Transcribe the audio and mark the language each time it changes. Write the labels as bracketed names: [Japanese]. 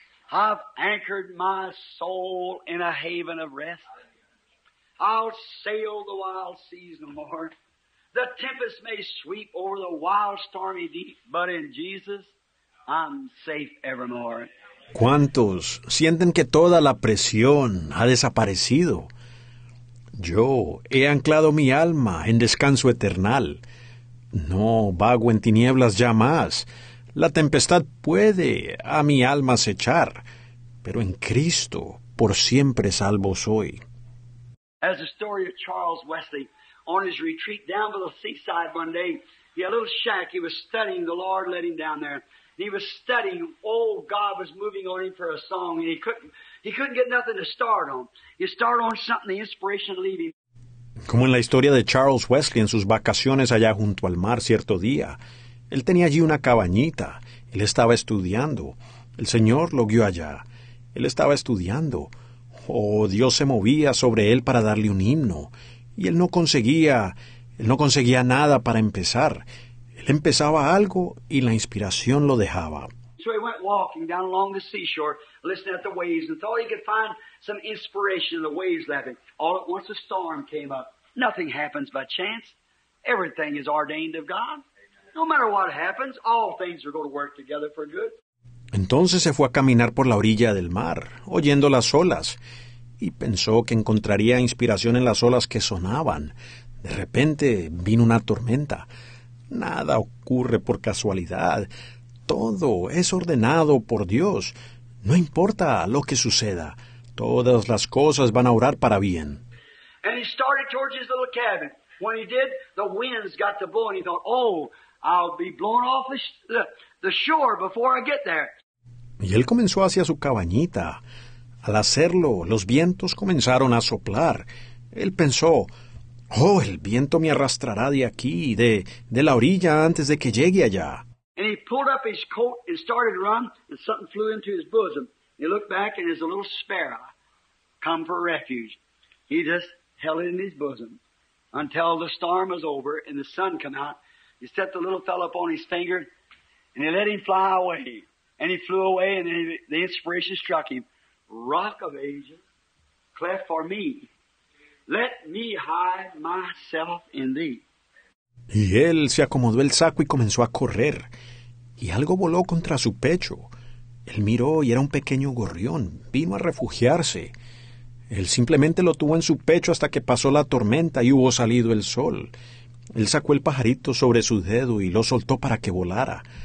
[English] I've anchored my soul in a haven of rest. I'll sail the wild seas no more. The tempest may sweep over the wild stormy deep, but in Jesus I'm safe evermore. [Spanish] ¿Cuántos sienten que toda la presión ha desaparecido? Yo he anclado mi alma en descanso eternal. No vago en tinieblas ya más. La tempestad puede a mi alma acechar, pero en Cristo por siempre salvo soy. [English] As the story of Charles Wesley, on his retreat down by the seaside one day, he had a little shack, he was studying, the Lord led him down there. He was studying, oh, God was moving on him for a song, and he couldn't get nothing to start on. He started on something, the inspiration to leave him. [Spanish] Como en la historia de Charles Wesley en sus vacaciones allá junto al mar cierto día, él tenía allí una cabañita. Él estaba estudiando. El Señor lo guió allá. Él estaba estudiando. Oh, Dios se movía sobre él para darle un himno. Y él no conseguía nada para empezar. Él empezaba algo y la inspiración lo dejaba. [English] So he went walking down along the seashore, listening at the waves, and thought he could find some inspiration in the waves laughing. All at once a storm came up. Nothing happens by chance. Everything is ordained of God. No matter what happens, all things are going to work together for good. [Spanish] Entonces se fue a caminar por la orilla del mar, oyendo las olas, y pensó que encontraría inspiración en las olas que sonaban. De repente vino una tormenta. Nada ocurre por casualidad. Todo es ordenado por Dios. No importa lo que suceda, todas las cosas van a obrar para bien. [English] And he started towards his little cabin. When he did, the winds got to blow, and he thought, oh, I'll be blown off the shore before I get there. [Spanish] Y él comenzó hacia su cabañita. Al hacerlo, los vientos comenzaron a soplar. Él pensó, oh, el viento me arrastrará de aquí, de la orilla, antes de que llegue allá. [English] And he pulled up his coat and started to run, and something flew into his bosom. He looked back, and there's a little sparrow come for refuge. He just held it in his bosom until the storm was over and the sun came out. He set the little fellow up on his finger, and he let him fly away. And he flew away, and the inspiration struck him. Rock of ages, cleft for me, let me hide myself in thee. [Spanish] Y él se acomodó el saco y comenzó a correr. Y algo voló contra su pecho. Él miró y era un pequeño gorrión. Vino a refugiarse. Él simplemente lo tuvo en su pecho hasta que pasó la tormenta y hubo salido el sol. Él sacó el pajarito sobre su dedo y lo soltó para que volara.